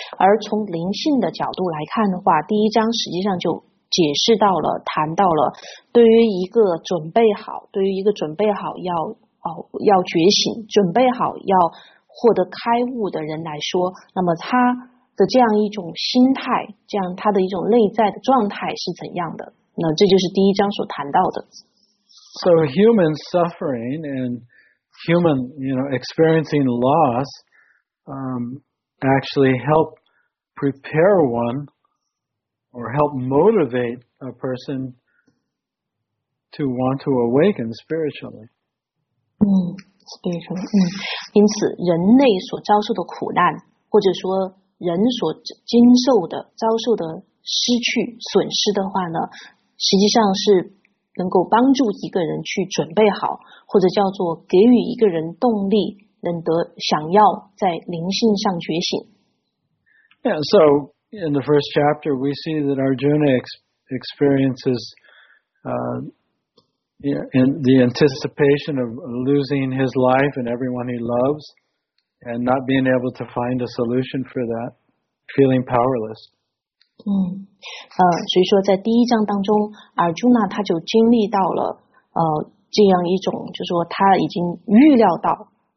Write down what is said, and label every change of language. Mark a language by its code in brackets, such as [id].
[zh] 而从灵性的角度来看的话，第一章实际上就解释到了，谈到了对于一个准备好，对于一个准备好要觉醒，准备好要获得开悟的人来说，那么他的这样一种心态，这样他的一种内在的状态是怎样的？那这就是第一章所谈到的。 [en] So human suffering and human, experiencing loss, actually help prepare one or help motivate a person to want to awaken spiritually. Spiritually. [zh] 因此人类所遭受的苦难或者说人所经受的遭受的失去损失的话呢实际上是能够帮助一个人去准备好或者叫做给予一个人动力能得想要在灵性上觉醒。 [en] Yeah, so in the first chapter, we see that Arjuna experiences in the anticipation of losing his life and everyone he loves, and not being able to find a solution for that, feeling powerless. [zh] 所以说在第一章当中 ，Arjuna 他就经历到了这样一种，就是说他已经预料到。